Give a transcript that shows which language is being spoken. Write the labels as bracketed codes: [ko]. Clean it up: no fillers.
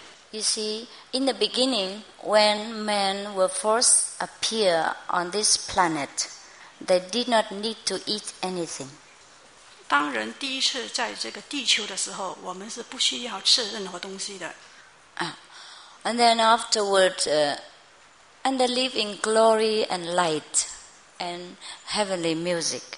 [en] You see, in the beginning, when men were first appear on this planet, they did not need to eat anything. [zh] 当人第一次在这个地球的时候，我们是不需要吃任何东西的。 [en] And then afterward, and they live in glory and light and heavenly music.